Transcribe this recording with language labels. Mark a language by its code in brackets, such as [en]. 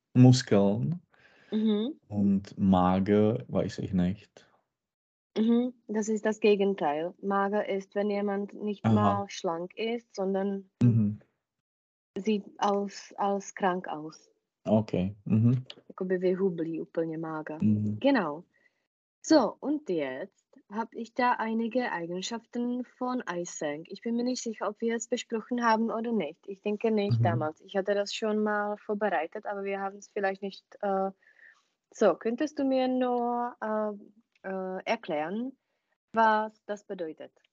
[de] Muskeln. Mhm. Und mager weiß ich nicht. Das ist das Gegenteil. Mager ist, wenn jemand nicht mal schlank ist, sondern sieht als krank aus. Okay. [cs] Jakoby vyhublý, úplně mager. [de] Genau. So, und jetzt habe ich da einige Eigenschaften von Eysenck. Ich bin mir nicht sicher, ob wir es besprochen haben oder nicht. Ich denke nicht damals. Ich hatte das schon mal vorbereitet, aber wir haben es vielleicht nicht. So, könntest du mir nur... erklären, was das bedeutet.